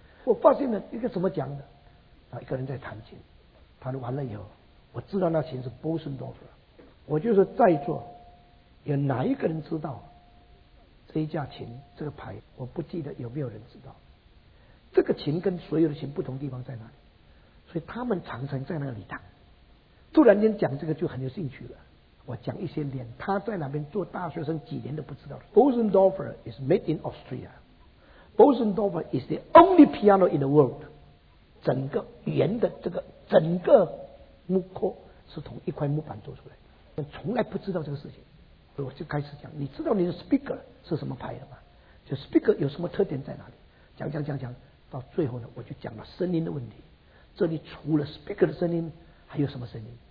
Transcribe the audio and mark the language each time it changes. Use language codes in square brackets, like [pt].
[zh] 我发现了一个什么讲的，一个人在弹琴，弹完了以后，我知道那琴是波森多夫，我就说在座有哪一个人知道这一架琴这个牌？我不记得有没有人知道这个琴跟所有的琴不同地方在哪里。所以他们常常在那个礼堂突然间讲这个就很有兴趣了。我讲一些连他在那边做大学生几年都不知道。 [en] Bösendorfer is made in Austria. Bösendorfer is the only piano in the world. [zh] 整个圆的这个整个木扣是从一块木板做出来的，从来不知道这个事情。我就开始讲，你知道你的 speaker 是什么牌的吗？就 speaker 有什么特点在哪里？讲讲讲讲，到最后呢，我就讲了声音的问题。这里除了 speaker 的声音，还有什么声音？